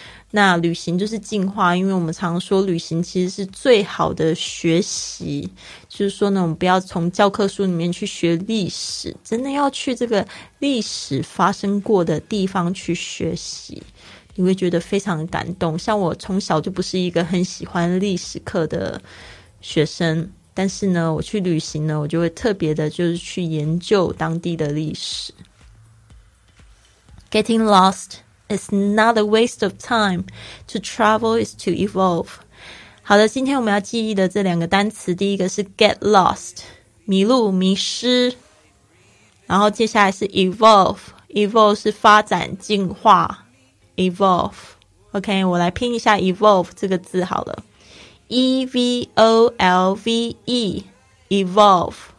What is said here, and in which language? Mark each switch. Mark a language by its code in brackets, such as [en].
[zh] 那旅行就是进化，因为我们常说旅行其实是最好的学习，就是说呢我们不要从教科书里面去学历史，真的要去这个历史发生过的地方去学习，你会觉得非常感动。像我从小就不是一个很喜欢历史课的学生，但是呢我去旅行呢我就会特别的就是去研究当地的历史。 [en] Getting lostIt's not a waste of time. To travel is to evolve. [zh] 好的，今天我们要记忆的这两个单词，第一个是 get lost, 迷路迷失，然后接下来是 evolve, evolve 是发展进化， evolve. OK, 我来拼一下 evolve 这个字好了， E-V-O-L-V-E, evolve.